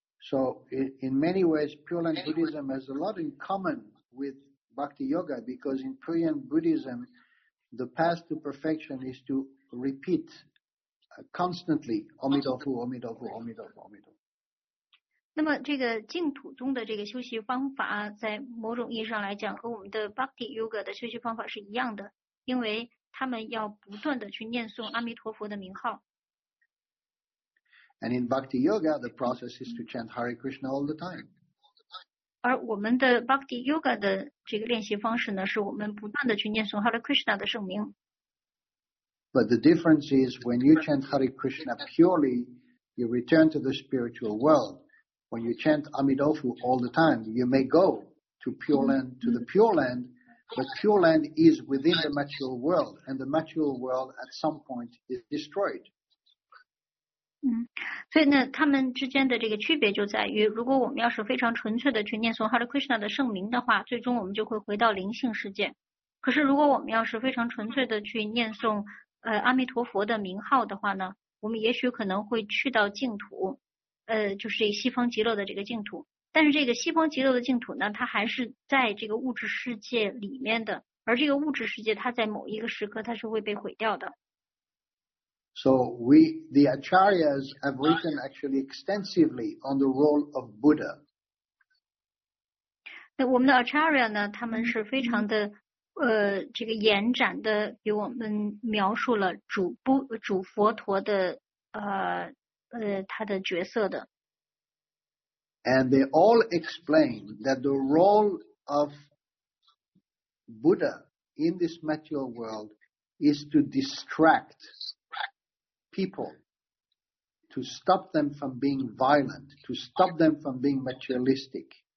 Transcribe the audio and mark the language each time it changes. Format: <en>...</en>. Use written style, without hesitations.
<en>So in many ways, Pure Land Buddhism has a lot in common with Bhakti Yoga because in Pure Land Buddhism, the path to perfection is to repeat constantly, Amitabha, Amitabha, Amitabha, Amitabha.</en> <zh>那么这个净土宗的这个修习方法，在某种意义上来讲，和我们的 Bhakti Yoga 的修习方法是一样的，因为他们要不断的去念诵阿弥陀佛的名号。</zh> <en>And in Bhakti Yoga, the process is to chant Hare Krishna all the time.</en> <zh>而我们的 Bhakti Yoga 的这个练习方式呢，是我们不断的去念诵 Hare Krishna 的圣名。</zh> <en>But the difference is when you chant Hare Krishna purely, you return to the spiritual world. When you chant Amitabha all the time, you may go to Pure Land, to the Pure Land. But Pure Land is within the material world, and the material world at some point is destroyed.</en> <zh>嗯，所以呢，他们之间的这个区别就在于，如果我们要是非常纯粹的去念诵 Hare Krishna 的圣名的话，最终我们就会回到灵性世界。可是如果我们要是非常纯粹的去念诵阿弥陀佛的名号的话呢，我们也许可能会去到净土，就是西方极乐的这个净土。但是这个西方极乐的净土呢，它还是在这个物质世界里面的，而这个物质世界它在某一个时刻它是会被毁掉的。</zh> <en>So we, the Acharyas have written actually extensively on the role of Buddha.</en> <zh>那我们的 Acharya 呢，他们是非常的这个延展的，给我们描述了主佛陀的他的角色的。</zh> <en>And they all explain that the role of Buddha in this material world is to distract people, to stop them from being violent, to stop them from being materialistic.</en>